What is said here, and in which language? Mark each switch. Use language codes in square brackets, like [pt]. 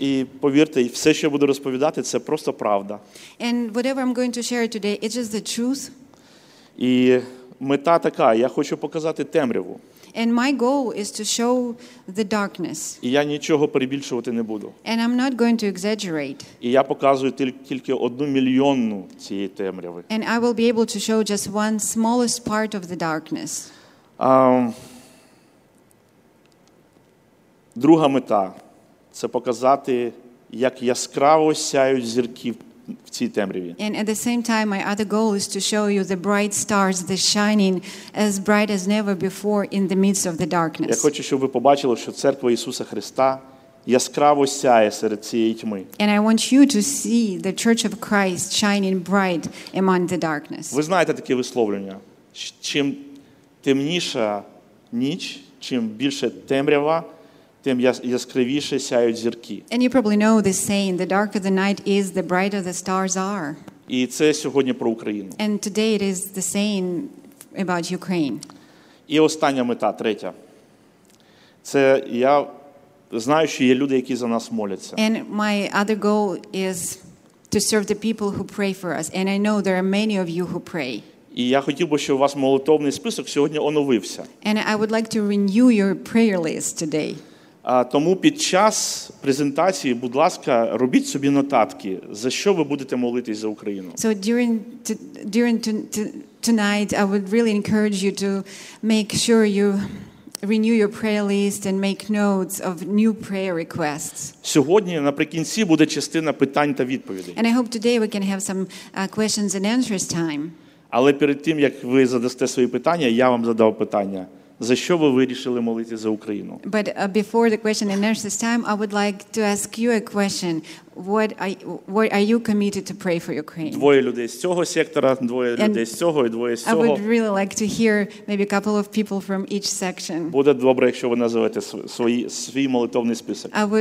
[uk] І повірте, все, що я буду розповідати, це просто правда. [en] And whatever I'm going to share today, it's just the truth. [uk] І мета така, я хочу показати темряву. [en] And my goal is to show the darkness. [uk] І я нічого перебільшувати не буду. [en] And I'm not going to exaggerate. [uk] І я показую тільки одну мільйонну цієї темряви. [en] And I will be able to show just one smallest part of the darkness. [uk] Друга мета – це показати як яскраво сяють зірки в цій темряві. [en] And at the same time, my other goal is to show you the bright stars, the shining as bright as never before in the midst of the darkness. [uk] Я хочу, щоб ви побачили, що церква Ісуса Христа яскраво сяє серед цієї тьми. [en] And I want you to see the Church of Christ shining bright among the darkness. [uk] Ви знаєте таке висловлення? Чим темніша ніч, чим більше темрява, тим яскравіше сяють зірки. [en] And you probably know this saying, the darker the night is, the brighter the stars are. [uk] І це сьогодні про Україну. [en] And today it is the saying about Ukraine. [uk] І остання мета, третя. Це я знаю, що є люди, які за нас моляться. [en] And my other goal is to serve the people who pray for us. And I know there are many of you who pray. [uk] І я хотів би, щоб у вас молитовний список сьогодні оновився. [en] And I would like to renew your prayer list today. [uk] Тому під час презентації, будь ласка, робіть собі нотатки, за що ви будете молитись за Україну. [en] So during tonight, I would really encourage you to make sure you renew your prayer list and make notes of new prayer requests. [uk] Сьогодні наприкінці буде частина питань та відповідей. [en] And I hope today we can have some questions and answers time. [uk] Але перед тим, як ви задасте свої питання, я вам задав питання. За що ви вирішили молитися за Україну? [en] But before the question and answers time, I would like to ask you a question. What are you committed to pray for Ukraine? [uk] Двоє людей з цього сектора, двоє людей з цього і двоє з цього. [en] I would really like to hear maybe a couple of people from each section. [uk] Буде добре, якщо ви назовете свій молитовний список.